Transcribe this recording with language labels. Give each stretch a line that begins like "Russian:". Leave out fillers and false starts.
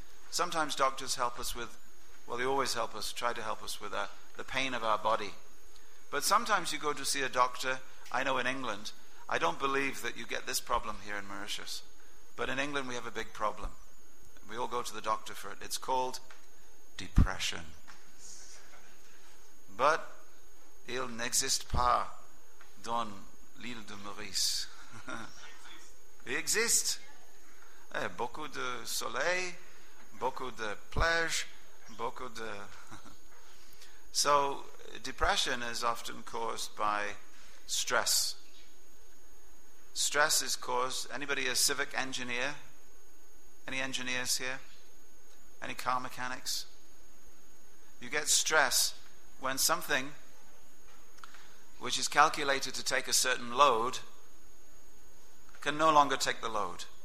English: Sometimes doctors help us with, well, they always help us, try to help us with the pain of our body. But sometimes you go to see a doctor. I know in England, I don't believe that you get this problem here in Mauritius, but in England we have a big problem. We all go to the doctor for it. It's called depression. But
French: il n'existe pas dans l'île de Maurice. Il existe. Eh, beaucoup de soleil, beaucoup de plage, beaucoup de...
English: So depression is often caused by stress. Stress is caused... Anybody a civic engineer? Any engineers here? Any car mechanics? You get stress when something which is calculated to take a certain load can no longer take the load.